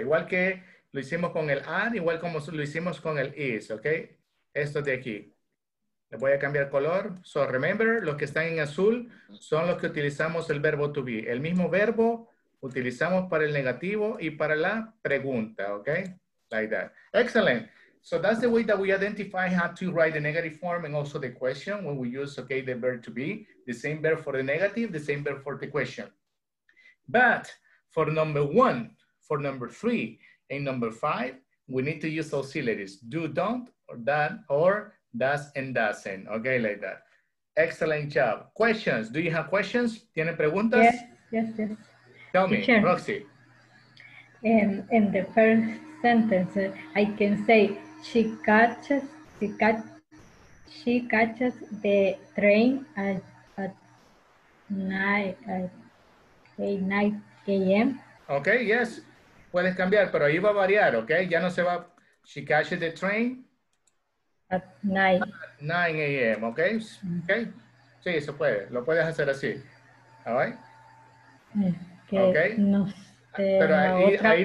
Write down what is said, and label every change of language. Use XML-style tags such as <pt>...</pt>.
<es>Igual que lo hicimos con el are, igual como lo hicimos con el is. Okay. Esto de aquí. Le voy a cambiar color.</es> <en>So remember,</en> <es>los que están en azul son los que utilizamos el verbo to be. El mismo verbo utilizamos para el negativo y para la pregunta, okay?</es> <en>Like that. Excellent. So that's the way that we identify how to write the negative form and also the question when we use, okay, the verb to be. The same verb for the negative, the same verb for the question. But for number one, for number three, and number five, we need to use auxiliaries. Do, don't, or that, or does and doesn't. Okay, like that. Excellent job. Questions. Do you have questions?</en> <es>¿Tiene preguntas?</es> <en>Yes, yes, yes. Tell me, teacher, Roxy. In the first sentence, I can say, she catches the train at 9 a.m. Okay, yes.</en> <es>puedes cambiar, pero ahí va a variar, ¿ok? Ya no se va.</es> <en>She catches the train at 9</en> <es>a.m., ¿ok? Okay. Sí, eso puede. Lo puedes hacer así.</es> <en>All right?</en> <es>Que okay. No sé, pero ahí, otra ahí</es>